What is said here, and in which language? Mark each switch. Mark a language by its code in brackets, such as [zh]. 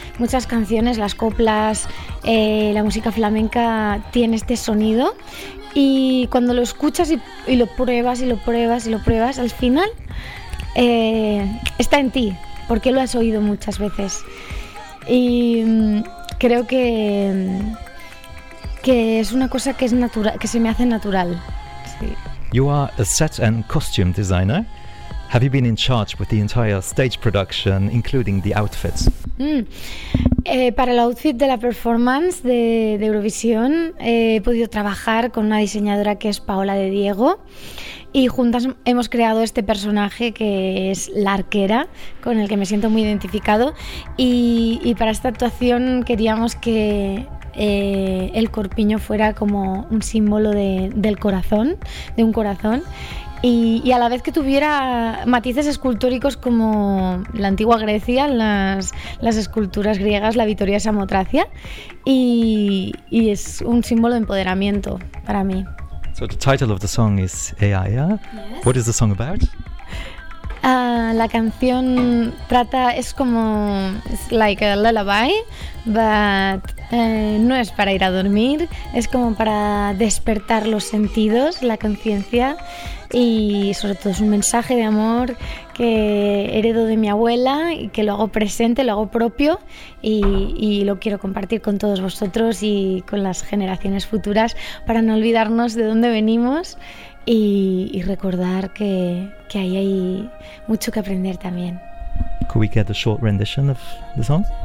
[es] Muchas canciones, las coplas, la música flamenca tiene este sonido y cuando lo escuchas y lo pruebas y lo pruebas y lo pruebas, al final está en ti, porque lo has oído muchas veces. Y creo que es una cosa que es natural, que se me hace natural. [en] You are a set and costume designer. Have you been in charge with the entire stage production, including the outfits? [es] Para el outfit de la performance de Eurovisión he podido trabajar con una diseñadora que es Paola de Diego y juntas hemos creado este personaje que es la arquera, con el que me siento muy identificado y para esta actuación queríamos que el corpiño fuera como un símbolo del corazón, de un corazón, y a la vez que tuviera matices escultóricos como la antigua Grecia, las esculturas griegas, la Vitoria Samotracia, y es un símbolo de empoderamiento para mí. [en] So the title of the song is Ea Ea. Yes. What is the song about? [es] La canción trata, es como, [en] it's like a lullaby, but [es] no es para ir a dormir, es como para despertar los sentidos, la conciencia y sobre todo es un mensaje de amor que heredo de mi abuela y que lo hago presente, lo hago propio y lo quiero compartir con todos vosotros y con las generaciones futuras para no olvidarnos de dónde venimos y recordar que ahí hay mucho que aprender también. [en] Could we get a short rendition of the song?